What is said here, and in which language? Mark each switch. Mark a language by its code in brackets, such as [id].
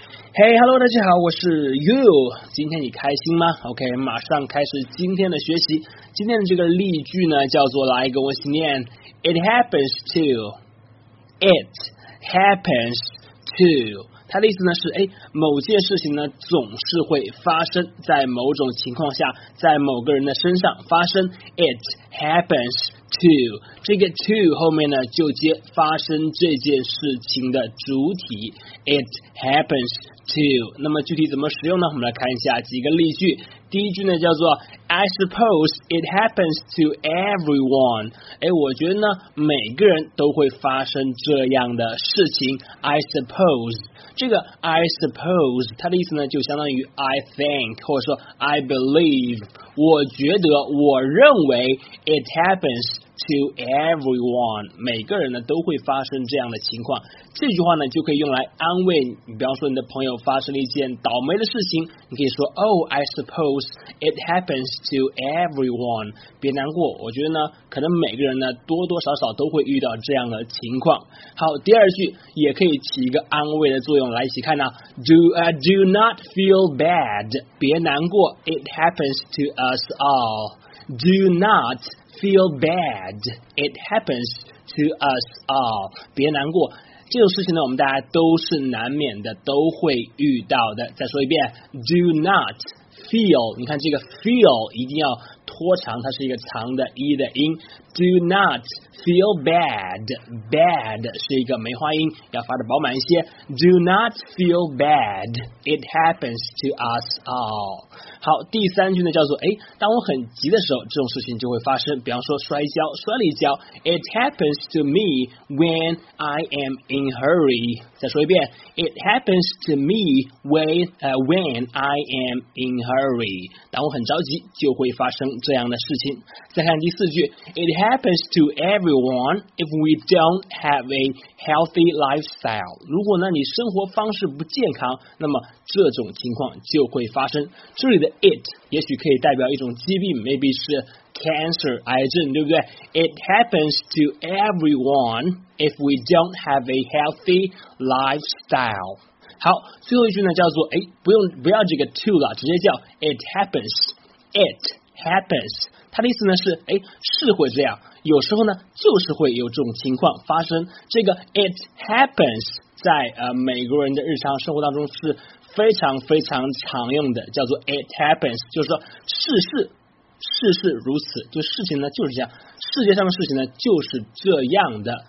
[en] Hey, hello, [zh] 大家好，我是 You。今天你开心吗 ？OK， 马上开始今天的学习。今天的这个例句呢，叫做来跟我一起念 ： [en] It happens to. It happens to. [zh] 它的意思呢是，哎，某件事情呢总是会发生在某种情况下，在某个人的身上发生。 [en] It happens to. [zh] 这个 to 后面呢就接发生这件事情的主体。 [en] It happens. [zh] To, 那么具体怎么使用呢？我们来看一下几个例句。第一句呢叫做 [en] I suppose it happens to everyone. [zh] 哎，我觉得呢每个人都会发生这样的事情。 [en] I suppose [zh] 这个 I suppose 它的意思呢就相当于 [en] I think [zh] 或者说 [en] I believe。 [zh] 我觉得我认为 [en] it happens to everyone， [zh] 每个人呢都会发生这样的情况。这句话呢就可以用来安慰你，比方说你的朋友发生了一件倒霉的事情，你可以说 [en] Oh, I suppose it happens to everyone. [zh] 别难过，我觉得呢可能每个人呢多多少少都会遇到这样的情况。好，第二句也可以起一个安慰的作用，来一起看呢。 [en] Do not feel bad. [zh] 别难过， [en] It happens to us all. Do not feel bad. It happens to us all. [zh] 别难过，这种事情呢我们大家都是难免的，都会遇到的。再说一遍， [en] Do not feel， [zh] 你看这个 feel 一定要拖长，它是一个长的 e 的音。 [en] Do not feel bad， [zh] bad 是一个梅花音，要发的饱满一些。 [en] Do not feel bad， It happens to us all。 [zh] 好，第三句呢叫做，哎，当我很急的时候这种事情就会发生，比方说摔跤，摔了一跤。 [en] It happens to me when I am in hurry。 [zh] 再说一遍， [en] It happens to me when I am in hurry， [zh] 当我很着急就会发生这样的事情。再看第四句， [en] It happens to everyone if we don't have a healthy lifestyle。 [zh] 如果呢你生活方式不健康，那么这种情况就会发生。这里的 it 也许可以代表一种疾病， maybe 是 cancer 癌症，对不对？ [en] It happens to everyone if we don't have a healthy lifestyle。 [zh] 好，最后一句呢叫做，哎，不要这个 to 了，直接叫 it happens。 [en] It happens， [zh] 它的意思呢是，哎，是会这样，有时候呢就是会有这种情况发生。这个 [en] it happens [zh] 在美国人的日常生活当中是非常非常常用的，叫做 it happens， 就是说事事如此，就事情呢就是这样，世界上的事情呢就是这样的。